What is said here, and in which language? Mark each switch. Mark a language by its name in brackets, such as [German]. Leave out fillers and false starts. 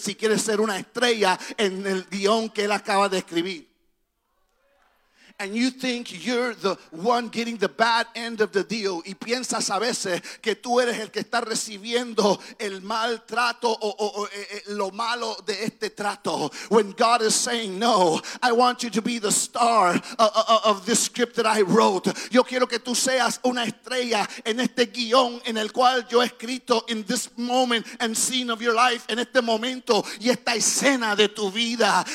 [Spanish] Si quieres ser una estrella en el guión que él acaba de escribir. [English] And you think you're the one getting the bad end of the deal. [Spanish] Y piensas a veces que tú eres el que está recibiendo el maltrato o lo malo de este trato. [English] When God is saying, no, I want you to be the star of this script that I wrote. [Spanish] Yo quiero que tú seas una estrella en este guión en el cual yo he escrito, [English] in this moment and scene of your life, [Spanish] en este momento y esta escena de tu vida.